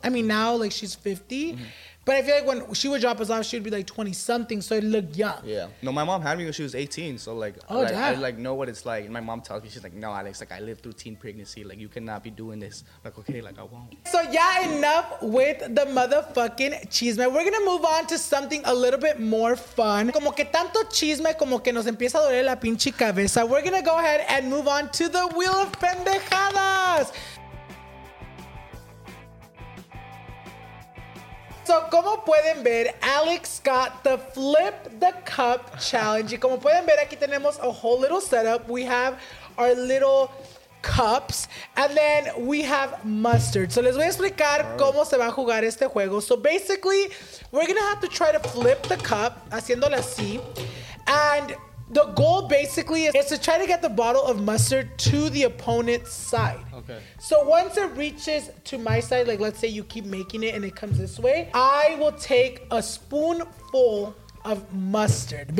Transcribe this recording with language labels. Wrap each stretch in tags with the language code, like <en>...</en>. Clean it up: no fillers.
<en>I mean, now, like, she's 50. Mm-hmm. But I feel like when she would drop us off, she would be like 20-something, so it looked young. Yeah. No, my mom had me when she was 18, so like, I like know what it's like. And my mom tells me, she's like, no, Alex, like, I lived through teen pregnancy. Like, you cannot be doing this. Like, okay, like, I won't. So yeah, enough with the motherfucking chisme. We're going to move on to something a little bit more fun.</en> <es>Como que tanto chisme, como que nos empieza a doler la pinche cabeza.</es> <en>We're going to go ahead and move on to the Wheel of Pendejadas. So,</en> <es>como pueden ver,</es> <en>Alex got the Flip the Cup Challenge.</en> <es>Y como pueden ver, aquí tenemos</es> <en>a whole little setup. We have our little cups, and then we have mustard.</en> <es>So, les voy a explicar cómo se va a jugar este juego.</es> <en>So, basically, we're going to have to try to flip the cup,</en> <es>haciéndola así.</es> <en>And the goal, basically, is to try to get the bottle of mustard to the opponent's side. Okay. So once it reaches to my side, like, let's say you keep making it and it comes this way, I will take a spoonful of mustard.</en>